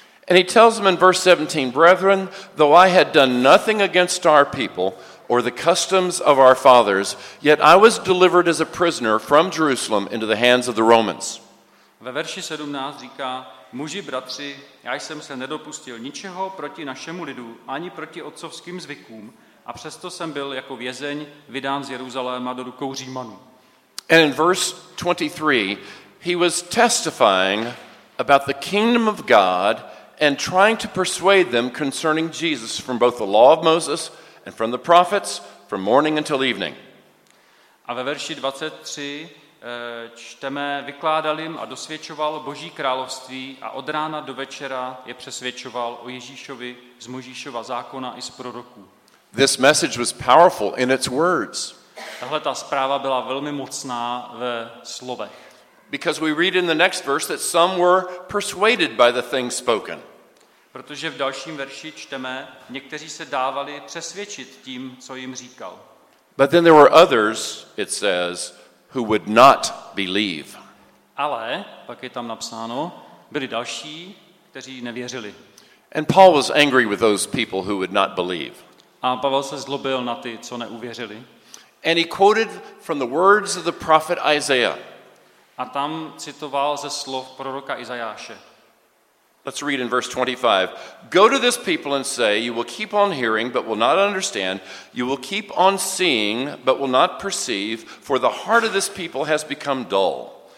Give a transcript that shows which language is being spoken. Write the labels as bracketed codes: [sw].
[en] And he tells them in verse 17, brethren, though I had done nothing against our people or the customs of our fathers, yet I was delivered as a prisoner from Jerusalem into the hands of the Romans. [cs] Ve verši 17 říká, muži bratři, já jsem se nedopustil ničeho proti našemu lidu, ani proti otcovským zvykům, a přesto jsem byl jako vězeň vydán z Jeruzaléma do rukou Římanů. [en] And in verse 23, he was testifying about the kingdom of God and trying to persuade them concerning Jesus from both the law of Moses and from the prophets from morning until evening. [cs] A ve verši 23 čteme, vykládal jim a dosvědčoval Boží království a od rána do večera je přesvědčoval o Ježíšovi z Mojžíšova zákona i z proroků. [en] This message was powerful in its words. [cs] Tahle ta zpráva byla velmi mocná ve slovech. [en] Because we read in the next verse that some were persuaded by the things spoken. [cs] Protože v dalším verši čteme, někteří se dávali přesvědčit tím, co jim říkal. [en] But then there were others, it says, who would not believe. [cs] Ale pak je tam napsáno, byli další, kteří nevěřili. [en] And Paul was angry with those people who would not believe. [cs] A Pavel se zlobil na ty, co neuvěřili. [en] And he quoted from the words of the prophet Isaiah. [cs] A tam citoval ze slov proroka Izajáše. [en] Let's read in verse 25. Go to this people and say, you will keep on hearing, but will not understand. You will keep on seeing, but will not perceive, for the heart of this people has become dull.